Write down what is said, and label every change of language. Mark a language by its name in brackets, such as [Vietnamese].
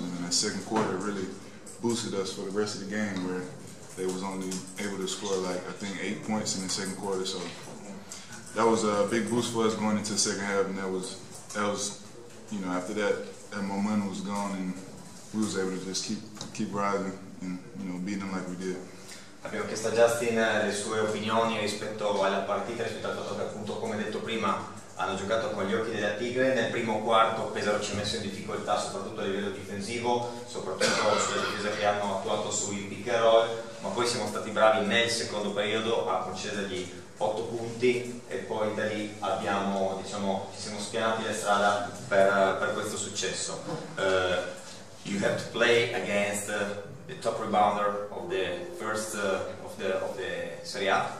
[English] And in that second quarter, it really boosted us for the rest of the game where they was only able to score, like, I think 8 points in the second quarter. So that was a big boost for us going into the second half, and that was, you know, after that, that momentum was gone, and we was able to just keep rising and, you know, beating them like we did. [Italian] Abbiamo chiesto a Justin le sue opinioni rispetto alla partita, rispetto al fatto che, appunto, come detto prima, hanno giocato con gli occhi della Tigre. Nel primo quarto Pesaro ci ha messo in difficoltà, soprattutto a livello difensivo, soprattutto sulle difese che hanno attuato sui pick and roll, ma poi siamo stati bravi nel secondo periodo a concedergli 8 punti e poi da lì abbiamo, diciamo, ci siamo spianati la strada per questo successo. [English] You have to play against the top rebounder of the first of the Serie A.